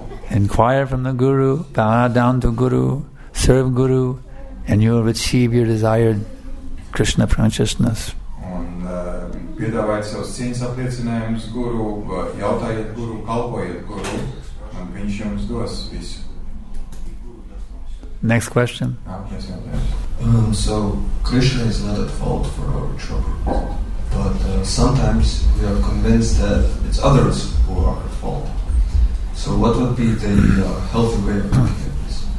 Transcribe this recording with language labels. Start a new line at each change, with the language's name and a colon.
English: Inquire from the Guru, bow down to Guru, serve Guru, and you will achieve your desired Krishna consciousness.
Latvian: Piedāvājiet savus cieņas apliecinājumus guru, jautājiet guru, kalpojiet guru, un viņš jums dos visu.
English: Next question. So, Krishna is not at fault for our trouble, but sometimes we are convinced that it's others who are at fault. So what would be the healthy way of looking at this?